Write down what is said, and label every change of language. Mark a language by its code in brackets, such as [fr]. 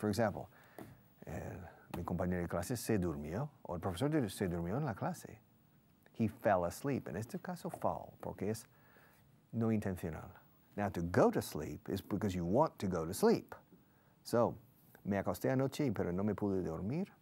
[en] For example, [es] mi compañero de clase se durmió, o el profesor se durmió en la clase. [en] He fell asleep. [es] En este caso, fall, porque es no intencional. [en] Now, to go to sleep is because you want to go to sleep. [es] So, me acosté anoche, pero no me pude dormir.